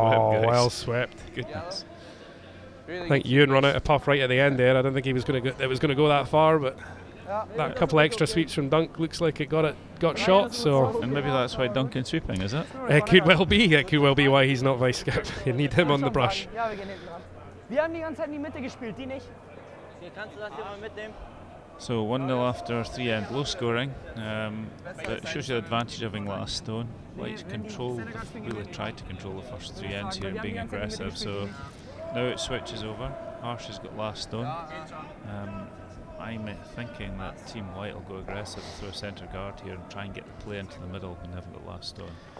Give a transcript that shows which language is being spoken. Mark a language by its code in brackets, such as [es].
[en] Well swept, guys. Goodness. Really I think Ewan run out of puff right at the end there. I don't think it was going to go that far, but that couple extra sweeps from Dunk looks like it got shot. So. And maybe that's why Duncan's sweeping, is it? It could well be. It could well be why he's not vice captain. You need him on the brush. [de] Wir haben die ganze Zeit in die Mitte gespielt, die nicht. Kannst du das hier mal mitnehmen? [en] So 1-0 after 3 end, low scoring, but it shows you the advantage of having last stone. Whyte's controlled, really tried to control the first 3 ends here, being aggressive, so now it switches over. Harsch has got last stone. I'm thinking that Team Whyte will go aggressive, throw a centre guard here and try and get the play into the middle when they haven't got last stone.